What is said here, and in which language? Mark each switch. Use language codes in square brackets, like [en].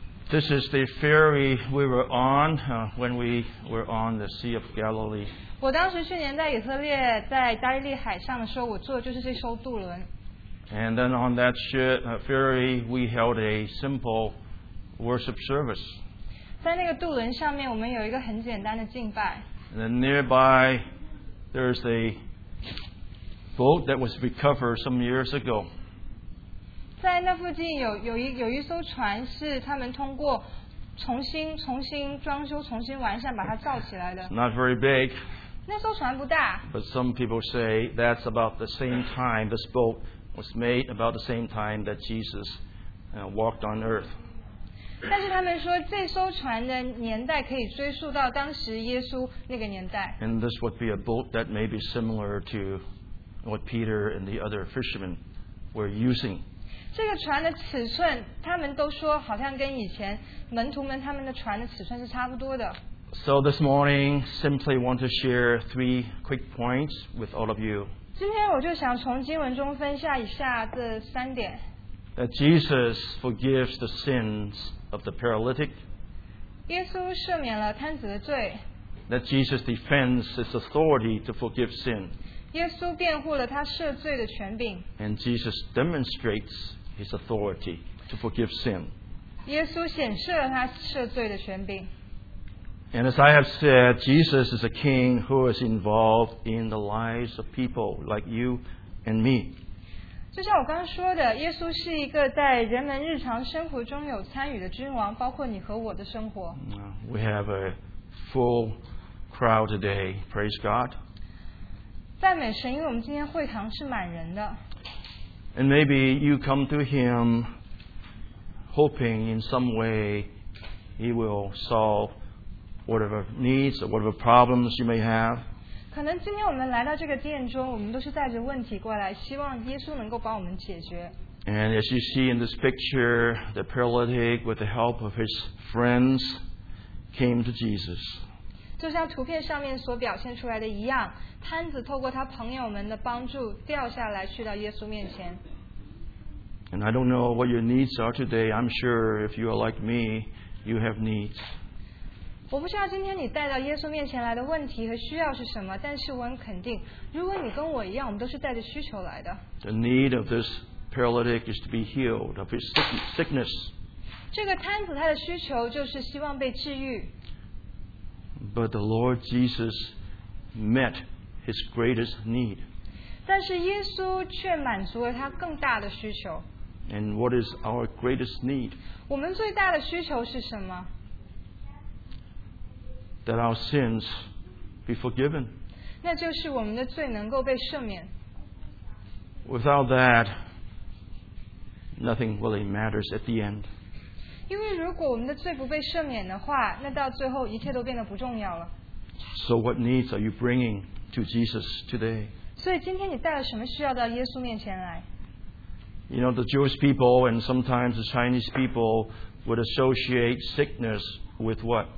[en] This is the ferry we were on when we were on the Sea of Galilee. [zh] 我当时去年在以色列，在加利利海上的时候，我坐的就是这艘渡轮。 [en] And then on that ferry, we held a simple worship service. [zh] 在那个渡轮上面，我们有一个很简单的敬拜。 [en] And then nearby, there's a boat that was recovered some years ago. [zh] 在那附近 有一艘船是他们通过重新装修重新完善把它造起来的。 [en] It's not very big. [zh] 那艘船不大。 [en] But some people say that's about the same time this boat was made about the same time that Jesus walked on earth. [zh] 但是他们说这艘船的年代可以追溯到当时耶稣那个年代。 [en] And this would be a boat that may be similar to what Peter and the other fishermen were using. [zh] 这个船的尺寸，他们都说好像跟以前门徒们他们的船的尺寸是差不多的。 [en] So this morning, simply want to share three quick points with all of you. [zh] 今天我就想从经文中分享一下这三点。 [en] That Jesus forgives the sins of the paralytic. [zh] 耶稣赦免了瘫子的罪。 [en] That Jesus defends his authority to forgive sin. [zh] 耶稣辩护了他赦罪的权柄。 [en] And Jesus demonstrates his authority to forgive sin. [zh] 耶稣显示了他赦罪的权柄。 [en] And as I have said, Jesus is a king who is involved in the lives of people like you and me. [zh] 就像我刚刚说的，耶稣是一个在人们日常生活中有参与的君王，包括你和我的生活。 [en] We have a full crowd today. Praise God. [zh] 赞美神，因为我们今天会堂是满人的。 [en] And maybe you come to him hoping in some way he will solve whatever needs or whatever problems you may have. [zh] 可能今天我们来到这个殿中，我们都是带着问题过来，希望耶稣能够帮我们解决。 [en] And as you see in this picture, the paralytic with the help of his friends came to Jesus. [zh] 就像图片上面所表现出来的一样，瘫子透过他朋友们的帮助掉下来，去到耶稣面前。 [en] And I don't know what your needs are today. I'm sure if you are like me, you have needs. [zh] 我不知道今天你带到耶稣面前来的问题和需要是什么，但是我很肯定，如果你跟我一样，我们都是带着需求来的。 [en] The need of this paralytic is to be healed of his sickness. [zh] 这个瘫子他的需求就是希望被治愈。 [en] But the Lord Jesus met his greatest need. [zh] 但是耶稣却满足了他更大的需求。 [en] And what is our greatest need? [zh] 我们最大的需求是什么？ [en] That our sins be forgiven. [zh] 那就是我们的罪能够被赦免。 [en] Without that, nothing really matters at the end. [zh] 因为如果我们的罪不被赦免的话，那到最后一切都变得不重要了。 [en] So what needs are you bringing to Jesus today? [zh] 所以今天你带了什么需要到耶稣面前来？ [en] You know, the Jewish people and sometimes the Chinese people would associate sickness with what?